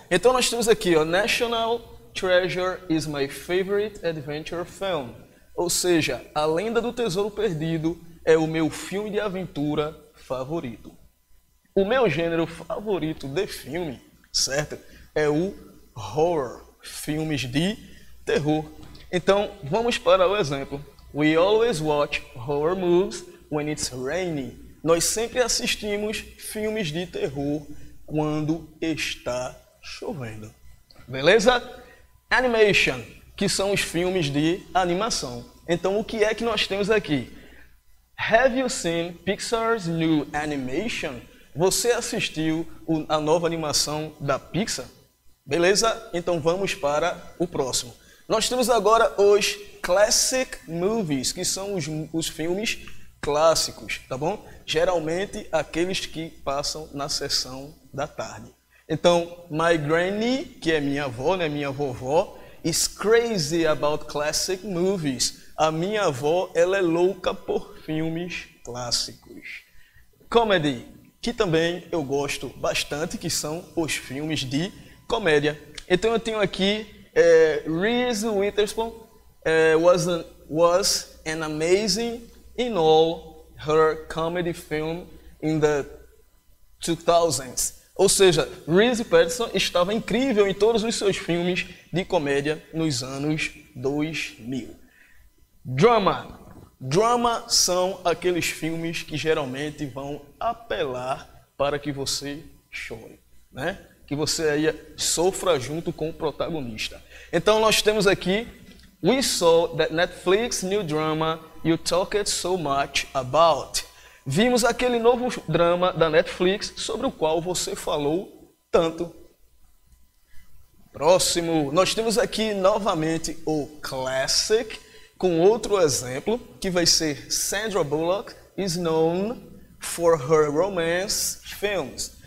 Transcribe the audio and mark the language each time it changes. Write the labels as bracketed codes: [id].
[pt] Então nós temos aqui, ó, [en] National Treasure is my favorite adventure film, [pt] ou seja, A Lenda do Tesouro Perdido é o meu filme de aventura favorito. O meu gênero favorito de filme, certo? É o horror, filmes de terror. Então, vamos para o exemplo. [en] We always watch horror movies when it's raining. [pt] Nós sempre assistimos filmes de terror quando está chovendo. Beleza? Animation, que são os filmes de animação. Então, o que é que nós temos aqui? [en] Have you seen Pixar's new animation? [pt] Você assistiu a nova animação da Pixar? Beleza? Então vamos para o próximo. Nós temos agora os classic movies, que são os filmes clássicos, tá bom? Geralmente aqueles que passam na sessão da tarde. Então, [en] my granny, [pt] que é minha avó, né, minha vovó, [en] is crazy about classic movies. [pt] A minha avó, ela é louca por filmes clássicos. Comedy, que também eu gosto bastante, que são os filmes de comédia. Então eu tenho aqui [en] Reese Witherspoon was an amazing in all her comedy film in the 2000s. [pt] Ou seja, Reese Witherspoon estava incrível em todos os seus filmes de comédia nos anos 2000. Drama. Drama são aqueles filmes que geralmente vão apelar para que você chore, né? Que você aí sofra junto com o protagonista. Então nós temos aqui, [en] We saw that Netflix new drama you talked so much about. [pt] Vimos aquele novo drama da Netflix sobre o qual você falou tanto. Próximo, nós temos aqui novamente o classic, com outro exemplo, que vai ser [en] Sandra Bullock is known for her romance films.